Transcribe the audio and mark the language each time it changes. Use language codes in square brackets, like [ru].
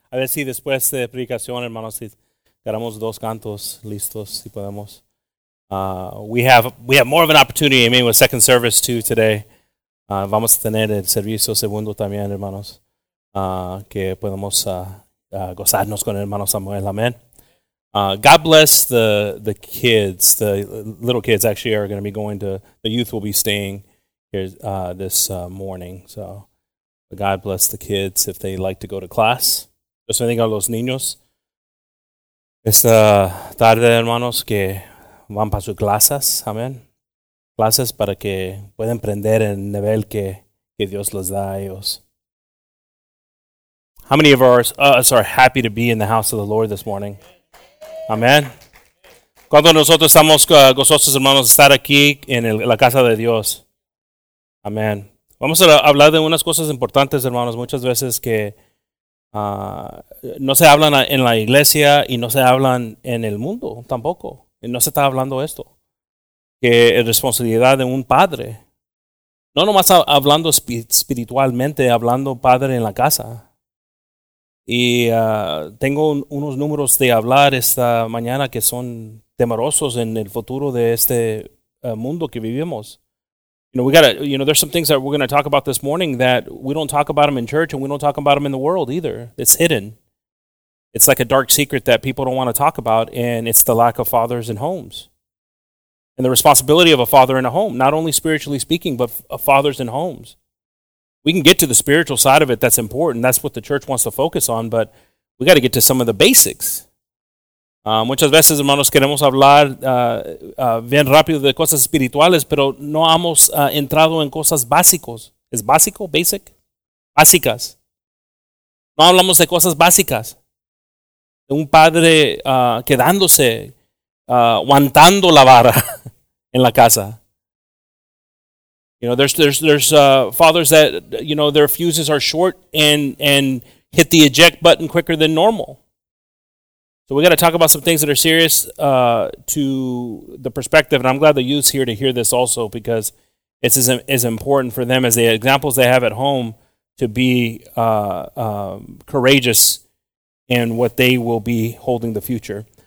[es] A ver si después de predicación, hermano, si tenemos dos cantos listos, si podemos. [en] We have more of an opportunity, I mean, with second service too today. [es] Vamos a tener el servicio segundo también, hermanos, que podemos gozarnos con el hermano Samuel. [en] Amen. God bless the kids. The little kids actually are going to be going to, the youth will be staying here this morning. So God bless the kids if they like to go to class. [es] Dios bendiga a los niños. Esta tarde, hermanos, que van para sus clases. Amen. Clases para que puedan aprender el nivel que Dios les da a ellos. [en] How many of us are happy to be in the house of the Lord this morning? Amen. [es] ¿Cuántos de nosotros estamos gozosos, hermanos, de estar aquí en la casa de Dios? Amen. Vamos a hablar de unas cosas importantes, hermanos, muchas veces que no se hablan en la iglesia y no se hablan en el mundo tampoco. No se está hablando esto. Que es responsabilidad de un padre. No nomás hablando espiritualmente, hablando padre en la casa. Y tengo unos números de hablar esta mañana que son temerosos en el futuro de este mundo que vivimos. [en] You know, there's some things that we're going to talk about this morning that we don't talk about them in church and we don't talk about them in the world either. It's hidden. It's like a dark secret that people don't want to talk about, and it's the lack of fathers in homes. And the responsibility of a father in a home, not only spiritually speaking, but fathers in homes. We can get to the spiritual side of it. That's important. That's what the church wants to focus on. But we got to get to some of the basics. [es] Muchas veces, hermanos, queremos hablar bien rápido de cosas espirituales, pero no hemos entrado en cosas básicos. ¿Es básico? ¿Basic? Básicas. No hablamos de cosas básicas. De un padre quedándose, aguantando la vara en la casa. [en] You know, there's fathers that, you know, their fuses are short and hit the eject button quicker than normal. So we got to talk about some things that are serious to the perspective. And I'm glad the youth's here to hear this also, because it's as important for them as the examples they have at home to be courageous in what they will be holding the future.